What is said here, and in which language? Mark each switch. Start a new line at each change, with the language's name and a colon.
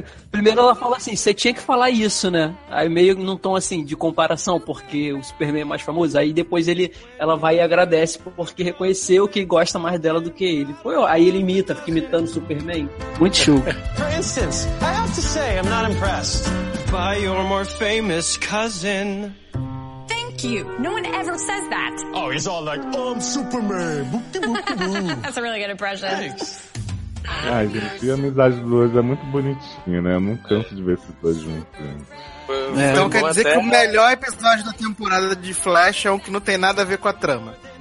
Portuguese: Primeiro ela fala assim, você tinha que falar isso, né? Aí meio num tom assim, de comparação, porque o Superman é mais famoso. Aí depois ela vai e agradece porque reconheceu que gosta mais dela do que ele. Pô, aí ele imita, fica imitando o Superman. Muito show.
English: For instance, I have to say I'm not impressed by your more famous cousin. Thank you. No one ever says that. Oh, he's all like, oh, I'm Superman. That's a really good impression. Thanks.
Portuguese: Ai, gente, a amizade dos dois é muito bonitinha, né? Eu não canso de ver esses dois juntos. Então quer dizer que o melhor episódio da temporada de Flash é um que não tem nada a ver com a trama.